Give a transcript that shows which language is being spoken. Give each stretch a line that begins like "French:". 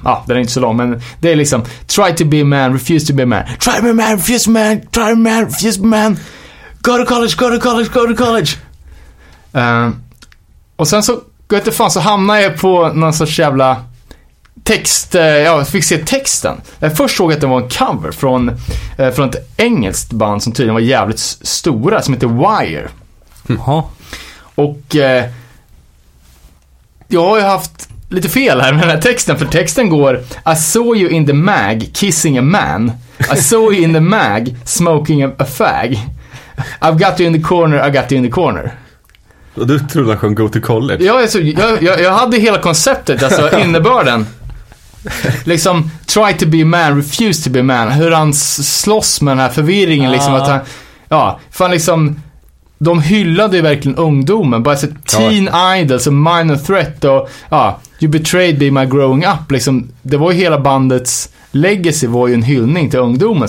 Swedish: Ja, den är inte så lång, men det är liksom
English: try to be a man,
Swedish: refuse to be a man.
English: Try to be a man, refuse to be a man. Try to be a man, refuse to be a man. Go to college, go to college, go to college.
Swedish: Och sen så gud inte fan, så hamnar jag på någon sorts jävla text, ja, jag fick se texten. Jag först såg att det var en cover från ett engelskt band som tydligen var jävligt stora, som heter Wire. Jaha. Och jag har ju haft lite fel här med den här texten, för texten går:
English: I saw you in the mag kissing a man. I saw you in the mag smoking a fag. I've got you in the corner, I got you in the corner.
Swedish: Du trodde att han sjöng Go to college. Ja, alltså, jag hade hela konceptet, alltså innebörden. Liksom
English: try to be a man, refuse to be a man.
Swedish: Hur han slåss med den här förvirringen liksom, att han, ja, fan liksom. De hyllade ju verkligen ungdomen, bara så teen idols och Minor Threat och ja,
English: You betrayed me my growing up,
Swedish: liksom, det var ju hela bandets legacy, var ju en hyllning till ungdomen.